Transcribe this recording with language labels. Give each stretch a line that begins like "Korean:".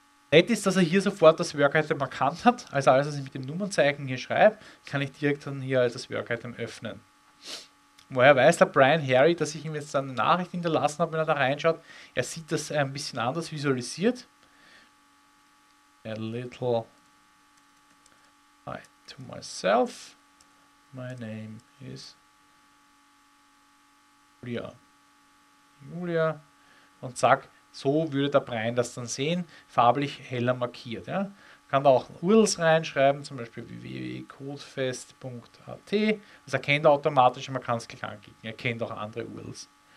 German: Nett ist, dass er hier sofort das Work-Item markant hat. Also alles, was ich mit dem Nummernzeichen hier schreibe, kann ich direkt dann hier als das Work-Item öffnen. Woher weiß der Brian Harry, dass ich ihm jetzt dann eine Nachricht hinterlassen habe, wenn er da reinschaut? Er sieht das ein bisschen anders visualisiert.
English: A little light to myself, my name is Julia.
German: Julia. Und zack, so würde der Brian das dann sehen, farblich heller markiert. Ja. Kann da auch URLs reinschreiben, zum Beispiel www.codefest.at. Das erkennt er automatisch, man kann es gleich anklicken. Er kennt auch andere URLs.